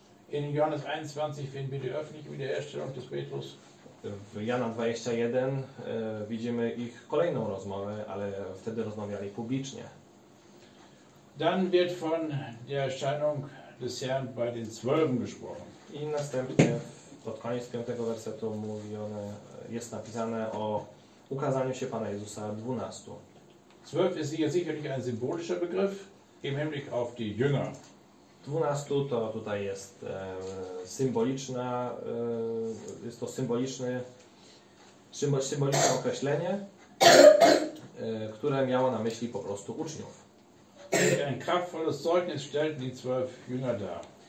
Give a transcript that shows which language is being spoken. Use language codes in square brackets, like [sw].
[de] In Johannes 21 finden wir die öffentliche Wiederherstellung des Petrus. [pl] W Jana 21 widzimy ich kolejną rozmowę, ale wtedy rozmawiali publicznie. [de] Dann wird von der Erscheinung des Herrn bei den Zwölfen gesprochen. [pl] I następnie pod koniec 5 wersetu mówione, jest napisane o ukazaniu się Pana Jezusa 12. [de] 12 ist hier sicherlich ein symbolischer Begriff im Hinblick auf die Jünger. [pl] 12 to tutaj jest symboliczna, jest to symboliczne określenie, które miało na myśli po prostu uczniów. [de] Ein kraftvolles Zeugnis stellten die 12 Jünger dar.